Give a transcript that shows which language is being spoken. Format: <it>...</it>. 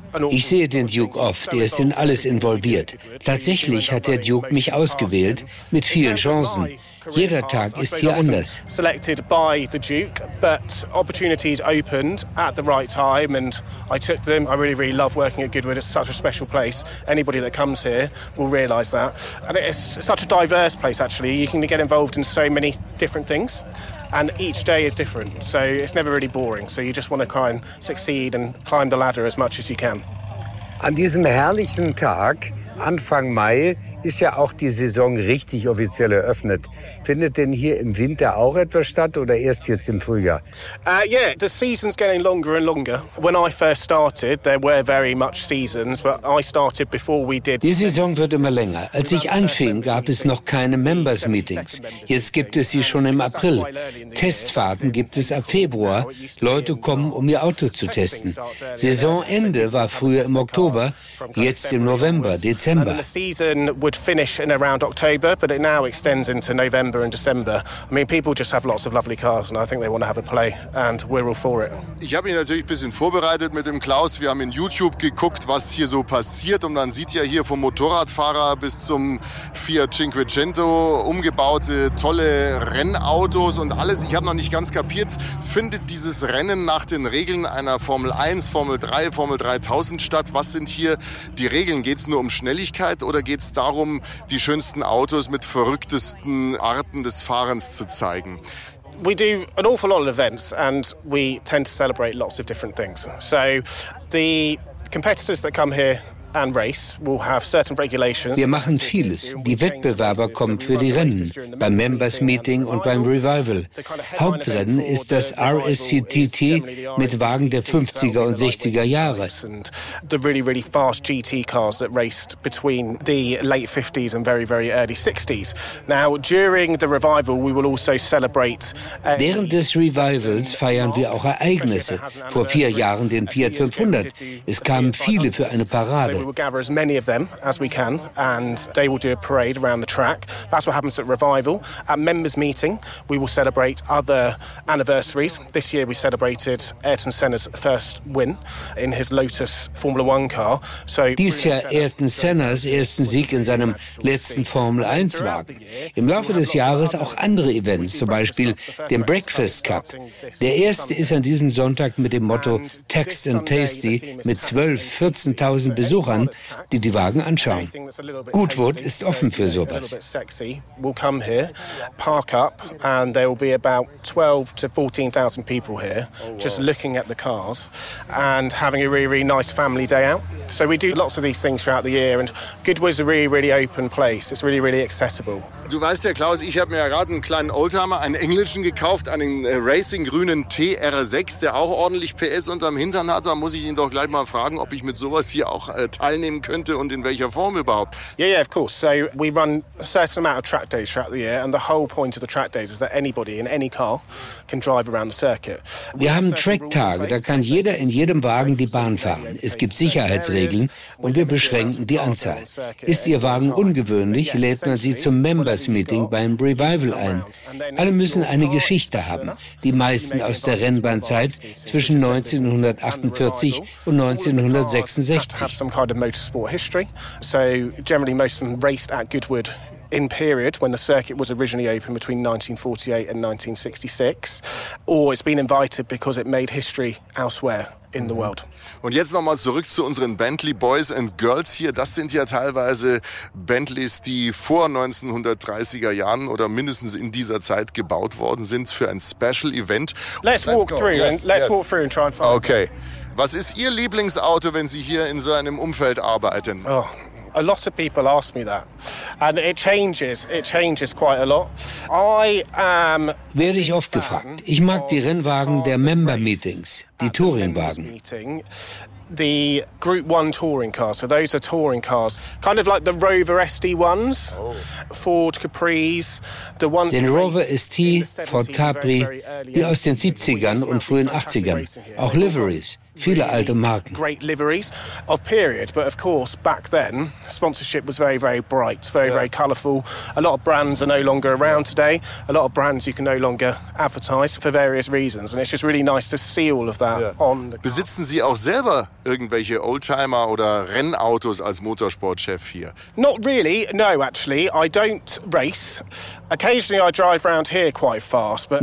<de>Ich sehe den Duke oft, er ist in alles involviert. Tatsächlich hat der Duke mich ausgewählt, mit vielen Chancen. Jeder Tag ist hier anders.</de> <en>Selected by the Duke, but opportunities opened at the right time and I took them. I really, really love working at Goodwood. It's such a special place. Anybody that comes here will realize that. And it's such a diverse place, actually. You can get involved in so many different things and each day is different. So it's never really boring. So you just want to try and succeed and climb the ladder as much as you can.</en> <de>An diesem herrlichen Tag, Anfang Mai, ist ja auch die Saison richtig offiziell eröffnet. Findet denn hier im Winter auch etwas statt oder erst jetzt im Frühjahr?</de> <en>Yeah, the season's getting longer and longer. When I first started, there were very much seasons, but I started before we did.</en> <de>Die Saison wird immer länger. Als ich anfing, gab es noch keine Members Meetings. Jetzt gibt es sie schon im April. Testfahrten gibt es ab Februar. Leute kommen, um ihr Auto zu testen. Saisonende war früher im Oktober, jetzt im November, Dezember.</de> <en>Would finish in around October, but it now extends into November and December. I mean, people just have lots of lovely cars and I think they want to have a play and we're all for it.</en> <de>Ich habe mich natürlich ein bisschen vorbereitet mit dem Klaus. Wir haben in YouTube geguckt, was hier so passiert und man sieht ja hier vom Motorradfahrer bis zum Fiat Cinquecento umgebaute tolle Rennautos und alles. Ich habe noch nicht ganz kapiert, findet dieses Rennen nach den Regeln einer Formel 1, Formel 3, Formel 3000 statt? Was sind hier die Regeln? Geht es nur um Schnelligkeit oder geht es darum, die schönsten Autos mit verrücktesten Arten des Fahrens zu zeigen.</de> <en>We do an awful lot of events and we tend to celebrate lots of different things. So the competitors that come here and race will have certain regulations.</en> <de>Wir machen vieles. Die Wettbewerber kommen für die Rennen, beim Members Meeting und beim Revival. Hauptrennen ist das RSCTT mit Wagen der 50er und 60er Jahre.</de> <en>The really, really fast GT cars that raced between the late 50s and very, very early 60s. Now, during the revival, we will also celebrate.</en> <de>Während des Revivals feiern wir auch Ereignisse. Vor vier Jahren den Fiat 500. Es kamen viele für eine Parade.</de> <en>We will gather as many of them as we can and they will do a parade around the track. That's what happens at Revival. At Members Meeting, we will celebrate other anniversaries. This year we celebrated Ayrton Senna's first win in his Lotus Formula One car.</en> <de>So dieses Jahr Ayrton Senna's ersten Sieg in seinem letzten Formel 1 Wagen. Im Laufe des Jahres auch andere Events, zum Beispiel den Breakfast Cup. Der erste ist an diesem Sonntag mit dem Motto Text and Tasty mit 12.000, 14.000 Besuchern. Besuchern, die die Wagen anschauen. Goodwood ist offen für sowas.</de> <en>We'll come here, park up, and there will be about 12 to 14,000 people here, just looking at the cars and having a really, really nice family day out. So we do lots of these things throughout the year, and Goodwood is a really, really open place. It's really, really accessible.</en> <de>Du weißt ja, Klaus, ich habe mir gerade einen kleinen Oldtimer, einen englischen gekauft, einen racinggrünen TR6, der auch ordentlich PS unterm Hintern hat. Da muss ich ihn doch gleich mal fragen, ob ich mit sowas hier auch teilnehmen könnte und in welcher Form überhaupt.</de> <en>Yeah, yeah, of course. So we run a certain amount of track days throughout the year and the whole point of the track days is that anybody in any car can drive around the circuit.</en> <de>Wir haben Track-Tage, da kann jeder in jedem Wagen die Bahn fahren. Es gibt Sicherheitsregeln und wir beschränken die Anzahl. Ist Ihr Wagen ungewöhnlich, lädt man Sie zum Members Meeting beim Revival ein. Alle müssen eine Geschichte haben, die meisten aus der Rennbahnzeit zwischen 1948 und 1966.</de> <en>Have some kind of motorsport history. So generally most of them raced at Goodwood in period when the circuit was originally open between 1948 and 1966. Or it's been invited because it made history elsewhere in the world.</en> <de>Und jetzt nochmal zurück zu unseren Bentley Boys and Girls hier. Das sind ja teilweise Bentleys, die vor 1930er Jahren oder mindestens in dieser Zeit gebaut worden sind für ein Special Event.</de> <en>Let's walk through and try and find okay.</en> <de>Was ist Ihr Lieblingsauto, wenn Sie hier in so einem Umfeld arbeiten?</de> <en>Oh, a lot of people ask me that. And it changes. It changes quite a lot.</en> <de>Werde ich oft gefragt. Ich mag die Rennwagen der Member Meetings, die Touringwagen.</de> <en>The Group 1 Touring Cars, so those are Touring Cars, kind of like the Rover SD1s, Ford Capris, the ones...</en> <de>Den Rover ST, Ford Capri, die aus den 70ern und frühen 80ern, auch Liveries, viele alte Marken.</de> <en>Great liveries of period, but of course back then sponsorship was very, very bright, very, very colourful. A lot of brands are no longer around today. A lot of brands you can no longer advertise for various reasons, and it's just really nice to see all of that on the car.</en> <de>Besitzen Sie auch selber irgendwelche Oldtimer oder Rennautos als Motorsportchef hier?</de> <en>Not really. No, actually, I don't race. Occasionally I drive around here quite fast, but</en>